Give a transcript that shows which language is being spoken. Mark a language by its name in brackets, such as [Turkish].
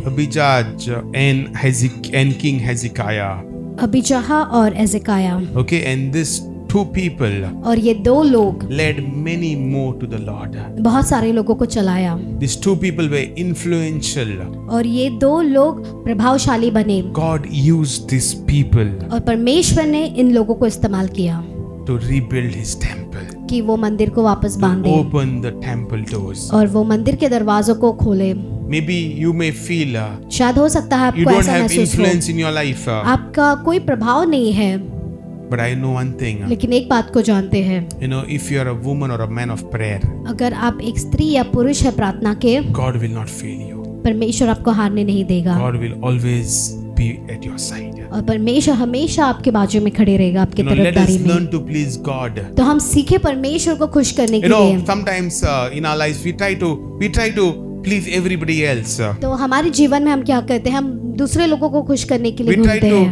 [English] Abijah and King Hezekiah. [Hindi] Abijah और Hezekiah. [English] Okay, and this two people [Hindi] aur ye do log [English] led many more to the Lord [Hindi] bahut sare logo ko chalaya [English] these two people were influential [Hindi] aur ye do log prabhavshali bane [English] God used these people [Hindi] aur parmeshwar ne in logo ko istemal kiya [English] to rebuild his temple [Hindi] ki wo mandir ko wapas bande [English] open the temple doors [Hindi] aur wo mandir ke darwazon ko khole [English] Maybe you may feel [Hindi] शायद हो सकता है आपको ऐसा महसूस हो [English] influence in your life, [Hindi] आपका कोई प्रभाव नहीं है [English] But I know one thing, [Hindi] लेकिन एक बात को जानते हैं [English] you know, if you are a woman or a man of prayer, [Hindi] अगर आप एक स्त्री या पुरुष है प्रार्थना के [English] God will not fail you. [Hindi] परमेश्वर आपको हारने नहीं देगा [English] God will always be at your side. [Hindi] और परमेश्वर हमेशा आपके बाजू में खड़े रहेगा आपके तरफदारी में [English] learn to please God. [Hindi] तो हम सीखे परमेश्वर को खुश करने के लिए [English] sometimes in our lives we try to please everybody else [Hindi] तो हमारे जीवन में हम क्या करते हैं हम दूसरे लोगों को खुश करने के लिए ढूंढते हैं